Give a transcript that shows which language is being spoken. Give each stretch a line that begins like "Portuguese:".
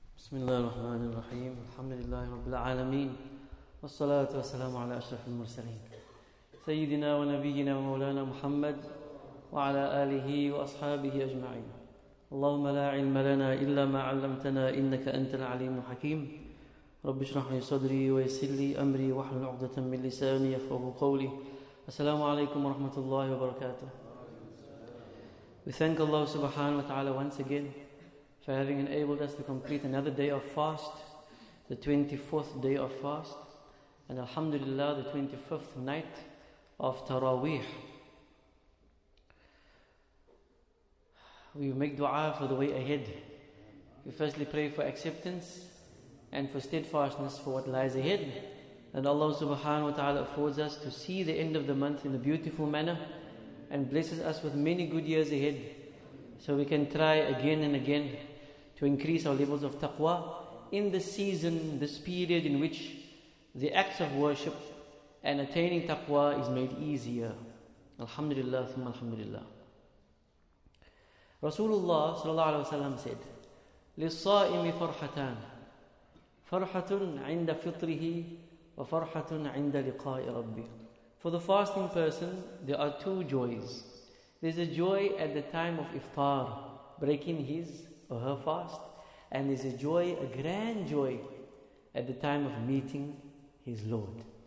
Arabic: بسم الله الرحمن الرحيم الحمد لله رب العالمين والصلاة والسلام على أشرف المرسلين سيدنا ونبينا ومولانا محمد وعلى آله وأصحابه أجمعين اللهم لا علم لنا إلا ما علمتنا إنك أنت العليم الحكيم رب اشرح لي صدري ويسر لي أمري واحلل عقدة من لساني يفقهوا قولي السلام عليكم ورحمة الله وبركاته.
English: We thank Allah subhanahu wa ta'ala once again for having enabled us to complete another day of fast, the 24th day of fast, and alhamdulillah, the 25th night of Taraweeh. We make dua for the way ahead. We firstly pray for acceptance and for steadfastness for what lies ahead, and Allah subhanahu wa ta'ala affords us to see the end of the month in a beautiful manner and blesses us with many good years ahead, so we can try again and again to increase our levels of taqwa in this season, this period in which the acts of worship and attaining taqwa is made easier.
Arabic: Alhamdulillah, thumma alhamdulillah.
English: Rasulullah sallallahu alaihi wasallam said,
Arabic: لِلصَّائِمِ فَرْحَتَانِ فَرْحَةٌ عِنْدَ فِطْرِهِ وَفَرْحَةٌ عِنْدَ لِقَاءِ رَبِّهِ.
English: For the fasting person, there are two joys. There's a joy at the time of iftar, breaking his or her fast, and is a joy, a grand joy, at the time of meeting his Lord.